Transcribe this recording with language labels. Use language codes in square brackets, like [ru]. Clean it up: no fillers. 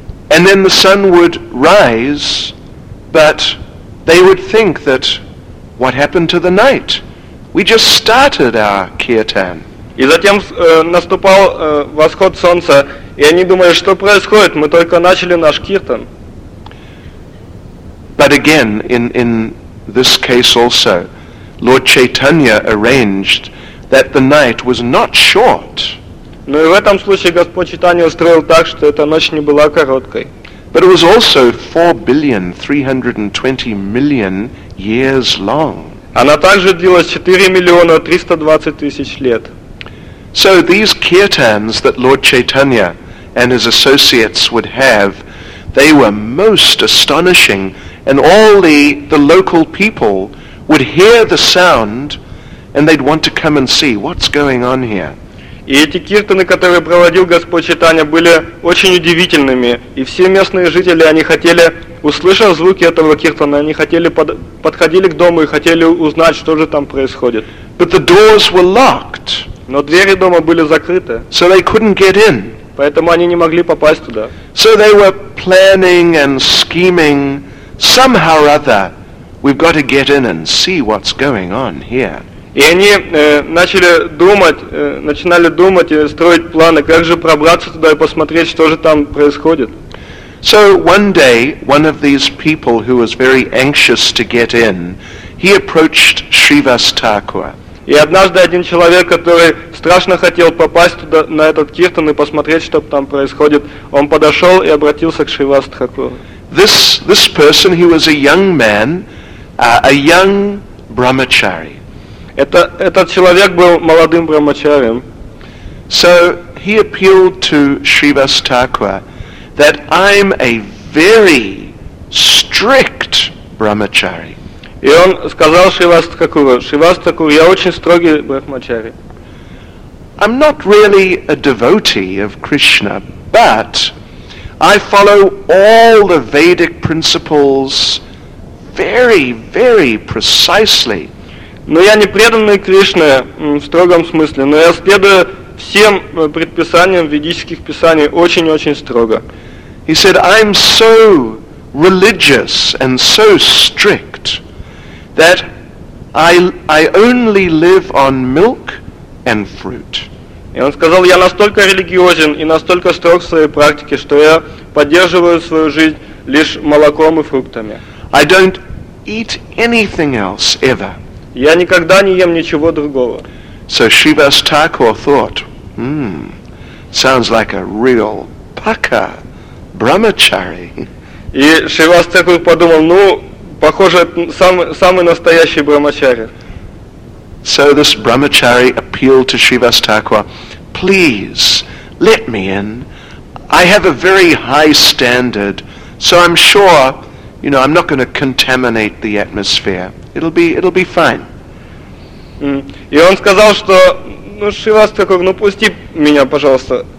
[en] And then the sun would rise, but they would think that what happened to the night? We just started our kirtan. [ru] И затем наступал восход солнца, и они думали, что происходит, мы только начали наш киртан. [en] But again, in this case also, Lord Chaitanya arranged that the night was not short. [ru] Но и в этом случае Господь Чайтанья устроил так, что эта ночь не была короткой. [en] But it was also 4,320,000,000 years long. [ru] Она также длилась 4,320,000 лет. [en] So these kirtans that Lord Chaitanya and his associates would have, they were most astonishing, and all the local people would hear the sound, and they'd want to come and see what's going on here. [ru] И эти киртаны, которые проводил Господь Читания, были очень удивительными. И все местные жители, они хотели, услышав звуки этого киртана, они хотели подходили к дому и хотели узнать, что же там происходит. [en] But the doors were locked. [ru] Но двери дома были закрыты. [en] So they couldn't get in. [ru] Поэтому они не могли попасть туда. [en] So they were planning and scheming somehow or other. We've got to get in and see what's going on here. [ru] И они начинали думать и строить планы, как же пробраться туда и посмотреть, что же там происходит. [en] So one day, one of these people who was very anxious to get in, he approached Shrivas Thakur. [ru] И однажды один человек, который страшно хотел попасть туда, на этот киртан и посмотреть, что там происходит, он подошел и обратился к Шривас Тхакуру. [en] This person, he was a young man, a young brahmachari. [ru] Этот человек был молодым брахмачарием. [en] So he appealed to Shrivas Thakur that I'm a very strict brahmachari. [ru] И он сказал Шривас Тхакуру: Шривас Тхакур, я очень строгий брахмачари. [en] I'm not really a devotee of Krishna, but I follow all the Vedic principles very, very precisely. [ru] Но я не преданный Кришне в строгом смысле, но я следую всем предписаниям ведических писаний очень-очень строго. [en] He said, I'm so religious and so strict that I only live on milk and fruit. [ru] И он сказал, я настолько религиозен и настолько строг в своей практике, что я поддерживаю свою жизнь лишь молоком и фруктами. [en] I don't eat anything else ever. [ru] Я никогда не ем ничего другого. [en] So Shrivas Thakur thought, sounds like a real pukka brahmachari. [ru] И Шривас Тхакур подумал, похоже, самый настоящий брахмачари. [en] So this brahmachari appealed to Shrivas Thakur, please, let me in. I have a very high standard, so I'm sure, you know, I'm not going to contaminate the atmosphere. It'll be fine. [ru] И он сказал, что, Шрива Стракур, пусти меня, пожалуйста.